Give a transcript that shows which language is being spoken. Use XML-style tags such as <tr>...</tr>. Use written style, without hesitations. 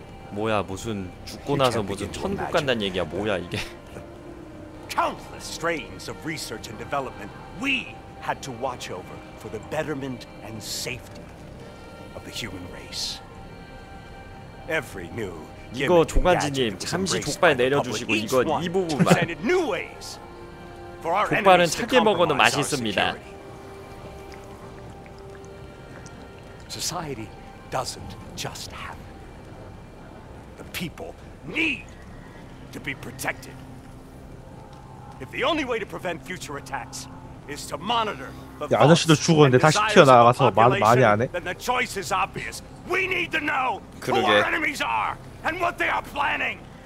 <ko>뭐야 무슨 죽고 나서 무슨 천국 간다는 얘기야 뭐야 이게?</ko> <en>Countless strains of research and development we had to watch over for the betterment and safety of the human race. Every new</en> <ko>이거 조가지님 잠시 족발 내려주시고 이거 이 부분만. 족발은 차게 먹어도 맛있습니다.</ko> <en>Society doesn't just happen. The people need to be protected. If the only way to prevent future attacks is to monitor the.</en> <ko>야, 아저씨도 죽었는데 다시 튀어나와서 말이 안 해?</ko> <en>Then the choice is obvious. We need to know who our enemies are and what they are planning.</en>